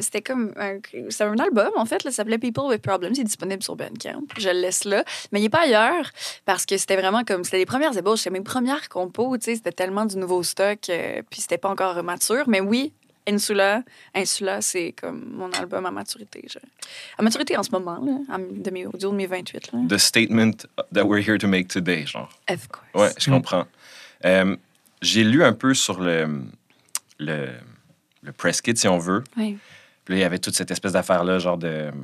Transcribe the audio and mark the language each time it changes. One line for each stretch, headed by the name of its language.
French: C'était un album, en fait. Là, ça s'appelait People with Problems. Il est disponible sur Bandcamp. Je le laisse là. Mais il n'est pas ailleurs parce que c'était vraiment comme... C'était les premières ébauches. C'était mes premières compos. Tu sais, c'était tellement du nouveau stock. Puis c'était pas encore mature. Mais oui, Insula, c'est comme mon album à maturité. À maturité en ce moment, là, au-delà de mes 28. Là.
English: The statement that we're here to make today, genre. Of course.
French: Ouais, je comprends. J'ai lu un peu sur le press kit, si on veut. Oui. Puis là, il y avait toute cette espèce d'affaire-là, genre de...